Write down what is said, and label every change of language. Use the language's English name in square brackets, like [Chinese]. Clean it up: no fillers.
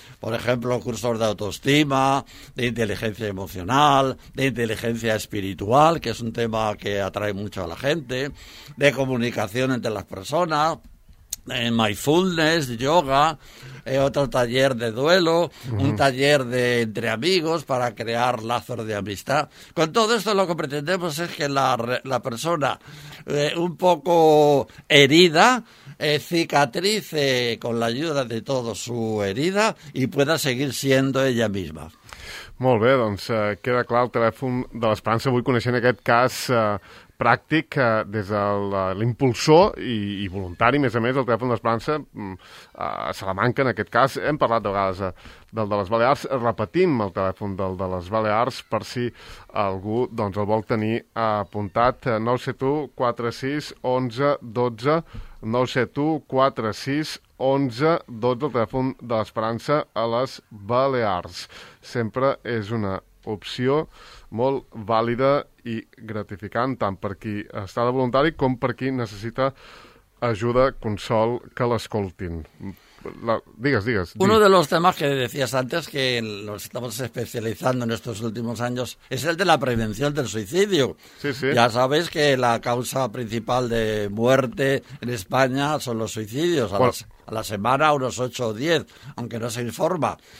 [Spanish] Por ejemplo, cursos de autoestima, de inteligencia emocional, de inteligencia espiritual, que es un tema que atrae mucho a la gente, de comunicación entre las personas, de mindfulness, yoga, otro taller de duelo, un taller de entre amigos para crear lazos de amistad. Con todo esto lo que pretendemos es que la persona un poco herida cicatrice con la ayuda de todo su herida y pueda seguir siendo ella misma. [Catalan] Molt bé, doncs queda clar el telèfon de l'Esperança. Vull conèixer aquest cas pràctic des de l'impulsor i voluntari, més a més, el telèfon de l'Esperança a Salamanca, en aquest cas. Hem parlat de vegades del de les Balears. Repetim el telèfon del de les Balears per si algú doncs, el vol tenir apuntat. 971-46-11-12. 971-46-11-12, el telèfon de l'Esperança a les Balears. Sempre és una opció molt vàlida i gratificant, tant per qui està de voluntari com per qui necessita ajuda, consol, que l'escoltin. Digues. [Spanish] Uno de los temas que decías antes, que nos estamos especializando en estos últimos años, es el de la prevención del suicidio. Sí, sí. Ya sabes que la causa principal de muerte en España son los suicidios. A la semana, unos 8 o 10, aunque no se informa.